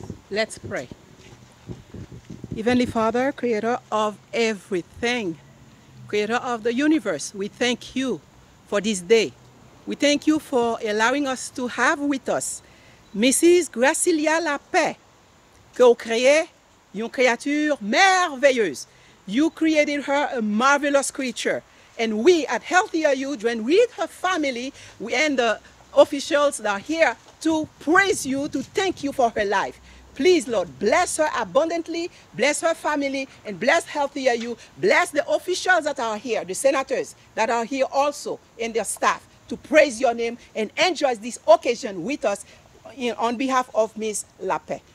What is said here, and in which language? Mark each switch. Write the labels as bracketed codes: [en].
[en] Let's pray. Heavenly Father, creator of everything, creator of the universe, we thank you for this day. We thank you for allowing us to have with us Mrs. [fr] Gracilia LaPex, que vous créez une créature merveilleuse. [en] You created her a marvelous creature. And we at Healthier You join with her family and the officials that are here to praise you, to thank you for her life. Please, Lord, bless her abundantly, bless her family, and bless Healthier You. Bless the officials that are here, the senators that are here also, and their staff, to praise your name and enjoy this occasion with us on behalf of Miss LaPex.